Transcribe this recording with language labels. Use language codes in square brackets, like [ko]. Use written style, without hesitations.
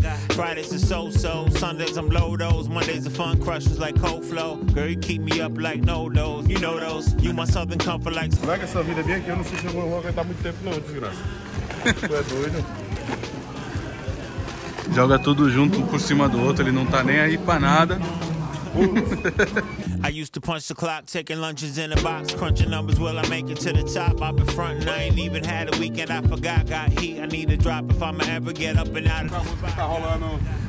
[en] Fridays is so-so, Sundays I'm low-dose, Mondays the fun crushes like cold flow. Girl, you keep me up like no-dose, you know those, you my southern comfort like... [pt] Será que essa vida é bem aqui? Eu não sei se eu vou aguentar muito tempo não, desgraça. Tu é doido? Joga tudo junto por cima do outro, ele não tá nem aí pra nada. [en] I used to punch the clock, taking lunches in a box, crunching numbers, will I make it to the top? I've been fronting, I ain't even had a weekend, I forgot, got heat, I need a drop if I'ma ever get up and out of...